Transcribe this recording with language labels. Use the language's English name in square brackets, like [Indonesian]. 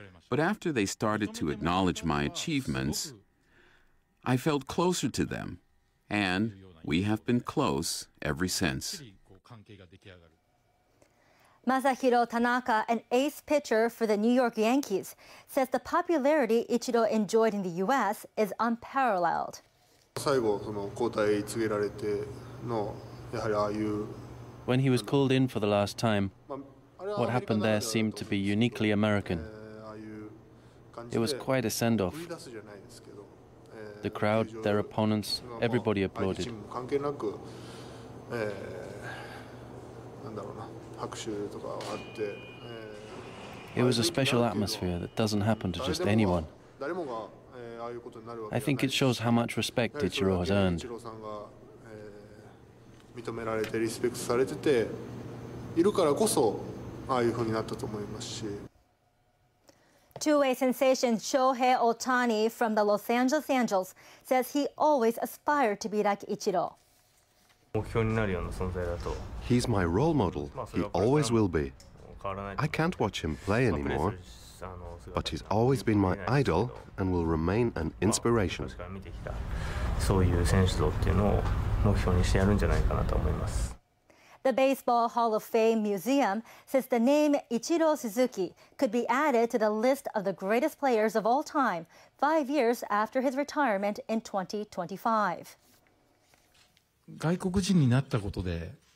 [English] But after they started to acknowledge my achievements, I felt closer to them, and we have been close ever since. [Japanese] 関係が出来上がる。 [English] Masahiro Tanaka, an ace pitcher for the New York Yankees, says the popularity Ichiro enjoyed in the U.S. is unparalleled. [Japanese] 最後その交代告げられてのやはりああいう。 [English] When he was called in for the last time, what happened there seemed to be uniquely American. It was quite a send-off. The crowd, their opponents, everybody applauded. It was a special atmosphere that doesn't happen to just anyone. I think it shows how much respect Ichiro has earned. [Japanese] 認められてリスペクトされてているからこそああいう風になったと思いますし。 [English] Two-way sensation Shohei Ohtani from the Los Angeles Angels says he always aspired to be like Ichiro. [Japanese] 目標になるような存在だと。 [English] He's my role model. He always will be. I can't watch him play anymore, but he's always been my idol and will remain an inspiration. [Japanese] そういう選手像っていうのを目標にしてやるんじゃないかなと思います。 [English] The Baseball Hall of Fame Museum says the name Ichiro Suzuki could be added to the list of the greatest players of all time 5 years after his retirement in 2025. [Japanese] 外国人になったことで、